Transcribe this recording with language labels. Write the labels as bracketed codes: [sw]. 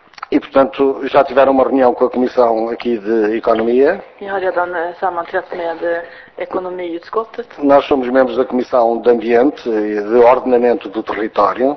[pt] E, portanto, já tiveram uma reunião com a Comissão aqui de Economia. [sv] Ni har redan sammanträtt med ekonomiutskottet. [pt] Nós somos membros da Comissão de Ambiente e de Ordenamento do Território.